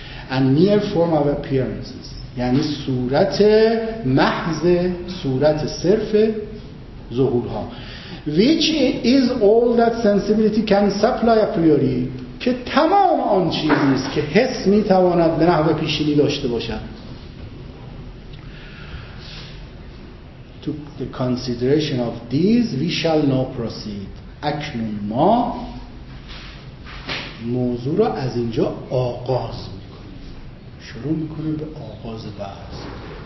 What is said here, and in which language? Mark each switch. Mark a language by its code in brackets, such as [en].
[fa] and near form of appearances، یعنی صورت محض، صورت صرف ظهورها. Which is all that sensibility can supply a priori، که تمام آن چیزی است که حس می تواند به نحو پیشینی داشته باشد. [en] To the consideration of these we shall now proceed. [fa] اکنون ما موضوع را از اینجا آغاز میکنیم، شروع میکنیم به آغاز بحث.